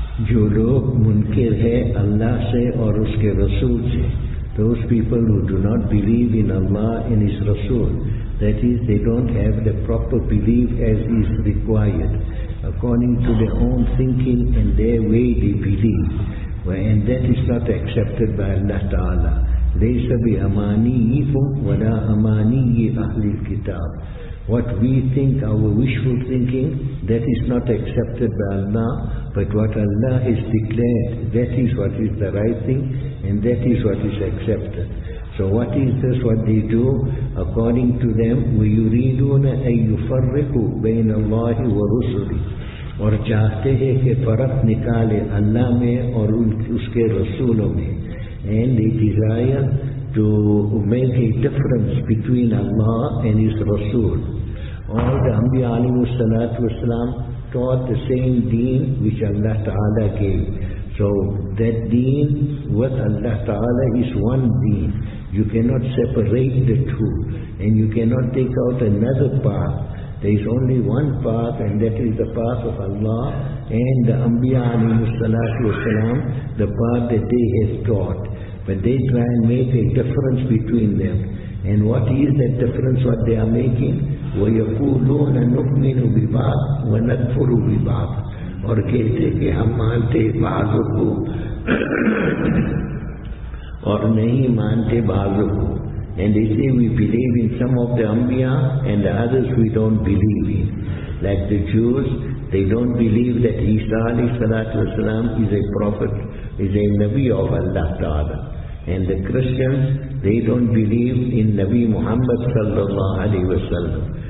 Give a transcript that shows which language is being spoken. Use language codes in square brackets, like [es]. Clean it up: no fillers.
[ur] جو لوگ منکر ہے اللہ سے اور اس کے رسول سے. [en] Those people who do not believe in Allah and His Rasul, that is, they don't have the proper belief as is required. According to their own thinking and their way they believe, and that is not accepted by Allah Ta'ala. [ar] لَيْسَ بِأَمَانِيِّكُمْ وَلَا أَمَانِيِّ أَهْلِ الْكِتَابِ. [en] What we think, our wishful thinking, that is not accepted by Allah, but what Allah has declared, that is what is the right thing, and that is what is accepted. So what is this, what they do? According to them, [ar] وَيُرِيدُونَ أَن يُفَرِّقُوا بَيْنَ اللَّهِ وَرُسُلِهِ. [ur] اور چاہتے ہیں کہ فرق نکالے اللہ میں اور اس کے رسولوں میں. [en] And they desire to make a difference between Allah and His Rasul. All the Anbiya alayhi salatu wasalam taught the same deen which Allah Ta'ala gave. So that deen with Allah Ta'ala is one deen. You cannot separate the two. And you cannot take out another path. There is only one path, and that is the path of Allah and the Anbiya alayhi salatu wasalam, the path that they have taught. But they try and make a difference between them. And what is that difference, what they are making? [ar] وَيَقُولُونَ نُؤْمِنُ بِبَعْضٍ وَنَكْفُرُ بِبَعْضٍ. [ur] اور کہتے ہیں کہ ہم مانتے بعضوں کو اور نہیں مانتے بعضوں کو. [en] And they say we believe in some of the Anbiya and the others we don't believe in. Like the Jews, they don't believe that Isa alayhi salatu wasalam is a prophet, is a Nabi of Allah Ta'ala. And the Christians, they don't believe in Nabi Muhammad sallallahu alayhi wasallam.